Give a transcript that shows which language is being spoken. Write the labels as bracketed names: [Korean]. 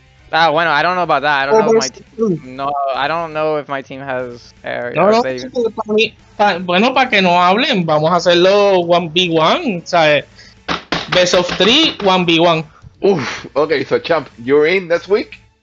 [English] Ah, bueno, I don't know about that. I don't know if my team has air. [Spanish] No, no, bueno, para que no hablen, vamos a hacerlo 1v1, ¿sabes? [English] Best of 3, 1v1. Uf, ok, so champ, you're in this week?